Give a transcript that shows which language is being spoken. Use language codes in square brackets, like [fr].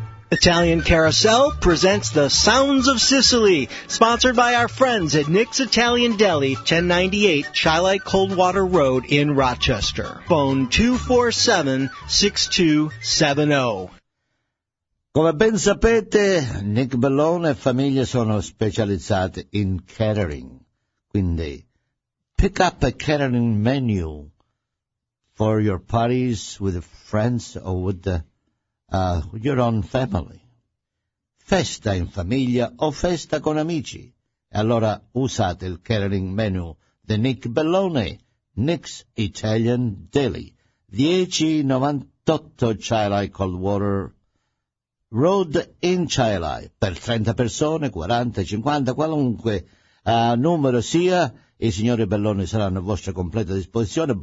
[en] Italian Carousel presents the Sounds of Sicily, sponsored by our friends at Nick's Italian Deli, 1098 Chilite Coldwater Road in Rochester. Phone 247-6270. [it] Come ben sapete, Nick Bellone e famiglia sono specializzate in catering. [en] Quindi, pick up a catering menu for your parties with friends or with the your own family. [it] Festa in famiglia o festa con amici. E allora usate il catering menu di Nick Bellone, Nick's Italian Deli, 1098 Chilite Coldwater Road in Chilite, per 30 persone, 40, 50, qualunque numero sia, i signori Bellone saranno a vostra completa disposizione.